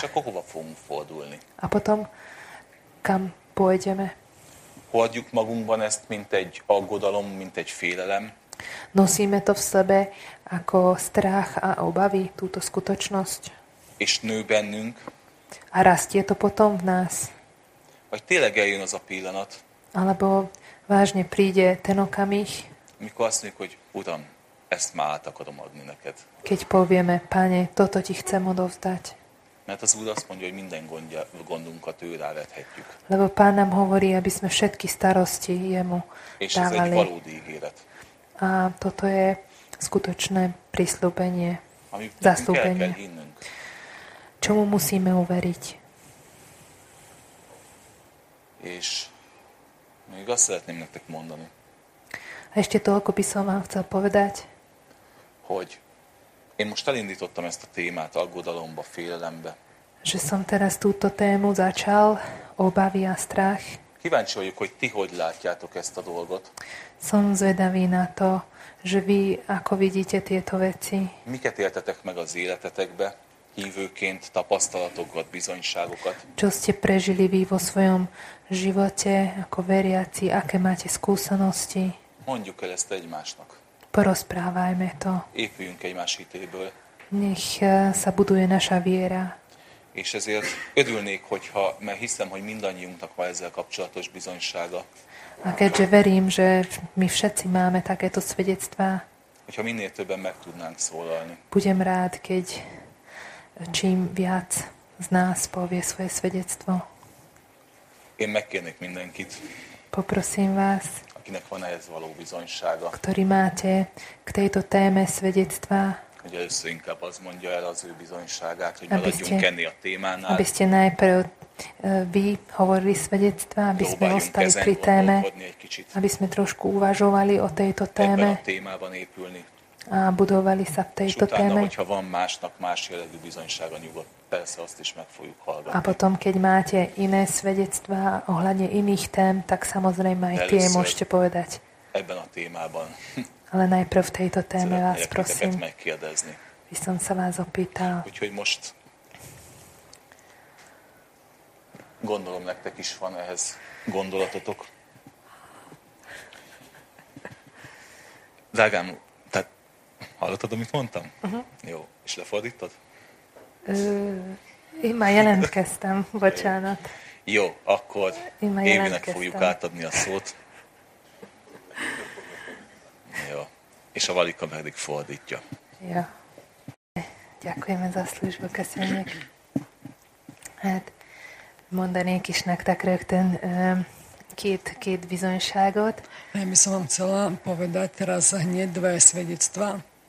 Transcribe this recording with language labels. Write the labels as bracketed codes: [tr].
[hu] És akkor hova fogunk fordulni? [sk] A potom kam pôjdeme. [hu] Hordjuk magunkban ezt, mint egy aggodalom, mint egy félelem. [sk] Nosíme to v sebe ako strach a obavy, túto skutočnosť. [hu] és nő bennünk. [sk] A rastie to potom v nás. [hu] Vagy tényleg eljön az a pillanat. [sk] Alebo vážne príde ten okamih. [hu] Mikor azt mondjuk, hogy Uram, ezt már át akarom adni neked. [sk] Keď povieme, Pane, toto ti chcem odovzdať. [hu] Mert az Úr azt mondja, hogy minden gondunkat ő rávethetjük. [sk] Lebo Pán nám hovorí, aby sme všetky starosti jemu [hu] és [sk] dávali. [hu] És ez egy valódi ígéret. [sk] A toto je skutočné prislúbenie, zaslúbenie. Čomu musíme uveriť? [hu] És még azt szeretném nektek mondani. [sk] A ešte toľko by som vám chcel povedať. [hu] Hogy én most elindítottam ezt a témát aggodalomba, félelembe. [sk] Že som teraz túto tému začal, obavy a strach. [hu] Kíváncsi vagyok, hogy ti hogy látjátok ezt a dolgot. [sk] Som zvedavý na to, že vy ako vidíte tieto veci. [hu] Miket éltetek meg az életetekbe, hívőként, tapasztalatokat, bizonyságokat. [sk] Čo ste prežili vy vo svojom živote, ako veriaci, aké máte skúsenosti. [hu] Mondjuk el ezt egymásnak. [sk] Porozprávajme to. [hu] Épüljünk egymás hitéből. [sk] Nech sa buduje naša viera. [hu] És ezért örülnék, hogyha, mert hiszem, hogy mindannyiunknak van ezzel kapcsolatos bizonysága. [sk] A keďže verím, že my všetci máme takéto svedectvá. [hu] Hogyha minél többen meg tudnánk szólalni. [sk] Budem rád, keď čím viac z nás povie svoje svedectvo. [hu] Én megkérnék mindenkit. [sk] Poprosím vás. [hu] Akinek van ez való bizonysága. [sk] Ktorý máte k tejto téme svedectvá. [hu] Hogy először inkább az mondja el az ő bizonyságát, hogy maradjunk enni a témánál. [sk] Aby ste najprv vy hovorili svedectvá, aby sme ostali pri téme. Aby sme trošku uvažovali o tejto téme. [hu] Ebben a témában épülni. [sk] A budovali sa v tejto téme. [hu] És utána, hogyha van másnak más jellegű bizonysága, nyugodt, persze azt is meg fogjuk hallgatni. [sk] A potom, keď máte iné svedectvá ohľadne iných tém, tak samozrejme aj tie môžete povedať. [hu] Ebben a témában. [sk] Ale najprv v tejto téme vás prosím. [hu] Szeretnék titeket megkérdezni. [sk] By som sa vás opýtal. [hu] Úgyhogy most gondolom, nektek is van ehhez gondolatotok. Drágám, tehát hallottad, amit mondtam? Uh-huh. Jó, és lefordítod? Én már jelentkeztem, bocsánat. Jó, akkor Évinek fogjuk átadni a szót. Jó. És a Valika pedig fordítja. Jó. [sk] Ďakujeme za službu, [hu] köszönjük. Hát, mondanék is nektek rögtön két bizonyságot. [sk] Ja by som vám chcela povedať teraz hneď dve svedectvá.